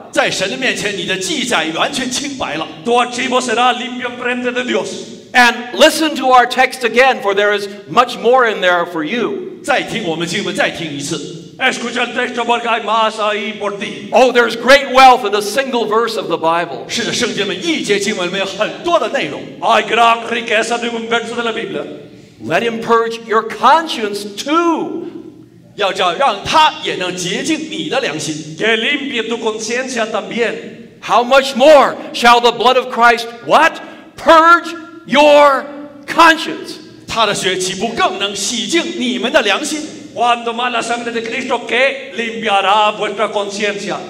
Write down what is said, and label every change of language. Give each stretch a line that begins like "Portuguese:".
Chinese: 在神的面前，你的记载完全清白了。
Spanish: Tu archivo será limpio frente de Dios.
English: And listen to our text again, for there is much more in there for you.
Chinese: 再听我们经文，再听一次。
Spanish: Escucha el texto porque hay más ahí por ti.
English: Oh, there is great wealth in a single verse of the Bible.
Chinese: 是的，圣经们，一节经文里面有很多的内容。
Spanish: Hay gran riqueza de un verso de la Biblia.
English: Let him purge your conscience too.
Chinese: 要叫让他也能洁净你的良心。
Spanish: Que limpie tu conciencia también.
English: How much more shall the blood of Christ what? Purge your conscience.
Chinese: 他的血岂不更能洗净你们的良心?
Spanish: Cuando más la sangre de Cristo que limpiará vuestra conciencia.